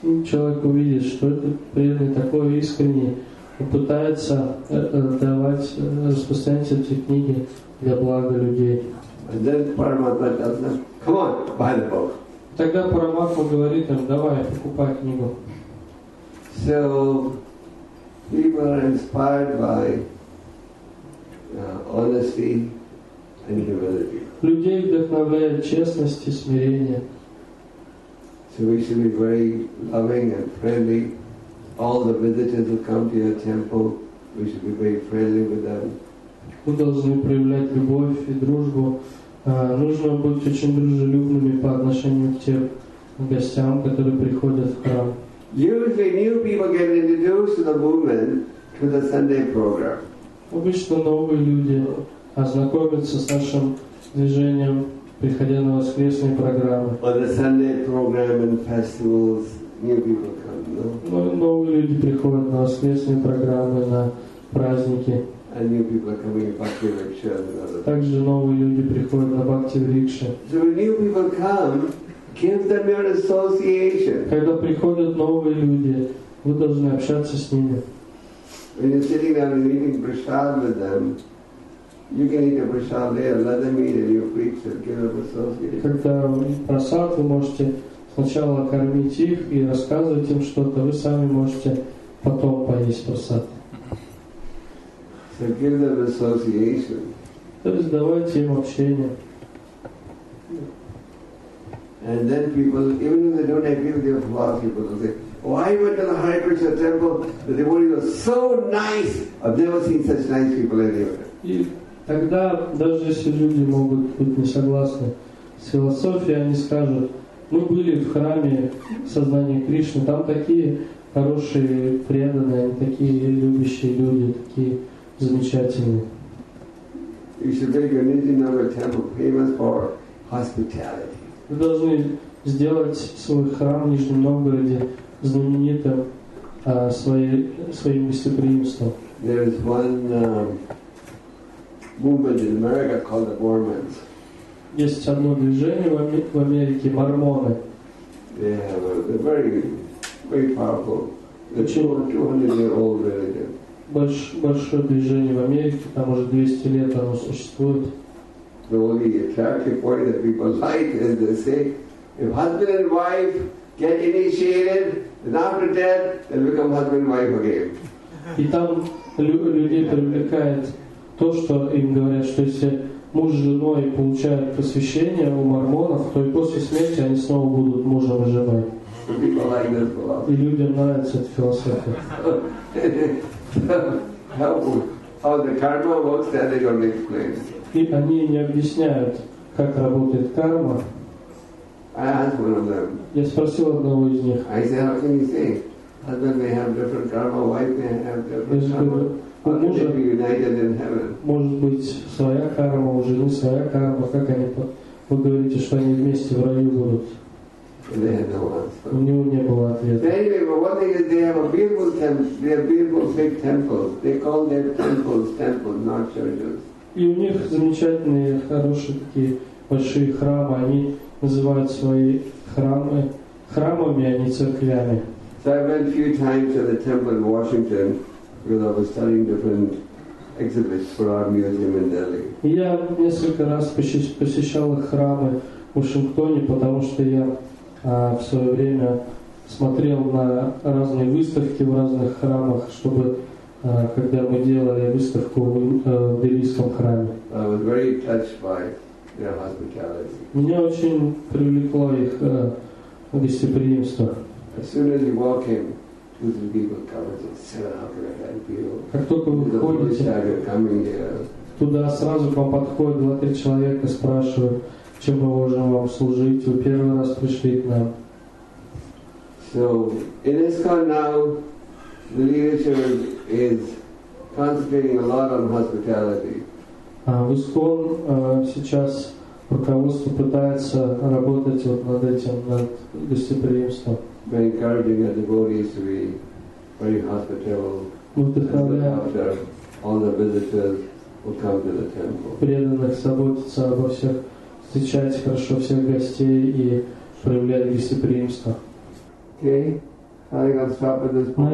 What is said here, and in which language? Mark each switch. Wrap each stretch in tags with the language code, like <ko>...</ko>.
<ru>Человек увидит, что этот преданный такой искренний, он пытается давать, распространять эти книги для блага людей. Тогда Парамахма говорит им, давай, покупай книгу.</ru> <en>So, people are inspired by honesty and humility.</en> <ru>Людей вдохновляет честность и смирение.</ru> <en>So we should be very loving and friendly. All the visitors who come to your temple, we should be very friendly with them.</en> <ru>Мы должны проявлять любовь и дружбу. Нужно быть очень дружелюбными по отношению к тем гостям, которые приходят в храм.</ru> <en>Usually new people get introduced to the movement to the Sunday program.</en> <ru>Обычно новые люди ознакомятся с нашим движением, приходя на воскресные программы.</ru> <en>On the Sunday program and festivals, new people come, no?</en> <ru>Новые люди приходят на воскресные программы, на праздники.</ru> <en>And new people are coming in Bhakti Riksha and others.</en> <ru>Также новые люди приходят на Бхакти Рикша.</ru> <en>So when new people come, give them your association.</en> <ru>Когда приходят новые люди, вы должны общаться с ними.</ru> <en>When you're sitting down and eating prasad with them, you can eat the prasad there, let them eat and you preach and give them association.</en> <ru>Когда вы просад, вы можете сначала кормить их и рассказывать им что-то, вы сами можете потом поесть просад.</ru> <en>So give them association.</en> <ru>То есть давайте им общение.</ru> <en>And then people, even if they don't agree with your philosophy, people will say, "Why went to the Hare Krishna temple? The devotees were so nice. I've never seen such nice people anywhere."</en> <ru>И тогда даже если люди могут быть не согласны с философией, они скажут: "Мы были в храме сознания Кришны. Там такие хорошие преданные, такие любящие люди, такие замечательные."</ru> <en>You should make your Nijinagar temple famous for hospitality.</en> <ru>Вы должны сделать свой храм в Нижнем Новгороде знаменитым своим гостеприимством.</ru> <en>There is one movement in America called the Mormons.</en> <ru>Есть одно движение в Америке, мормоны.</ru> <en>They have a very, very powerful, over 200-year-old religion.</en> <ru>Большое движение в Америке, там уже 200 лет оно существует.</ru> <en>The only attractive point that people like is they say, if husband and wife get initiated, then after death they'll become husband and wife again.</en> <ru>И там людей привлекает то, что им говорят, что если муж с женой получают посвящение у мормонов, то и после смерти они снова будут мужем и женой.</ru> <en>People like this philosophy.</en> <ru>И людям нравится эта философия.</ru> <en>How the karma works, that they don't explain.</en> <ru>И они не объясняют, как работает карма. Я спросил одного из них.</ru> <en>I said, how can you say? Husband may have different karma, wife may have different karma. How can they be united in heaven?</en> <ru>Может быть своя карма, у жены своя карма. Как они, вы говорите, что они вместе в раю будут?</ru> <en>They had no answer.</en> <ru>У него не было ответа.</ru> <en>Anyway, but one thing is they have a beautiful temple. They have beautiful big temples. They call their temples temples, not churches.</en> <ru>И у них замечательные, хорошие такие большие храмы. Они называют свои храмы храмами, а не церквями.</ru> <en>So I went a few times to the temple in Washington because I was studying different exhibits for our museum in Delhi.</en> <ru>Я несколько раз посещал храмы в Вашингтоне, потому что я в свое время смотрел на разные выставки в разных храмах, чтобы когда мы делали выставку в Делийском храме.</ru> <en>I was very touched by their hospitality.</en> <ru>Меня очень привлекло их гостеприимство.</ru> <en>As soon as you walk in, two or three people come and say, "Sir, how can I help you?"</en> <ru>Как только вы входите, туда сразу к вам подходят 2-3 человека, спрашивают, чем мы можем вам служить. Вы первый раз пришли к нам.</ru> <en>So, in ISKCON now, the leadership is concentrating a lot on hospitality.</en> <ru>В ISKCON сейчас руководство пытается работать вот над этим, над гостеприимством.</ru> <en>By encouraging the devotees to be very hospitable.</en> <ru>Вдохновляя</ru> <en>all the visitors would come to the temple.</en> <ru>Преданных заботиться обо всех, встречать хорошо всех гостей и проявлять гостеприимство.</ru> <en>Okay, I think I'll stop at this point.</en>